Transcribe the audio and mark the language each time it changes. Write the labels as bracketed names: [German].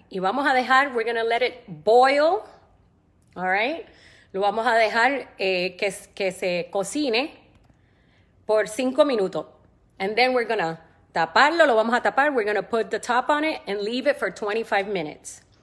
[Spanish] Y vamos a dejar, [English] we're going to let it boil. All right. [Spanish] Lo vamos a dejar que se cocine por 5 minutos. [English] And then we're going to [Spanish] taparlo. Lo vamos a tapar. [English] We're going to put the top on it and leave it for 25 minutes.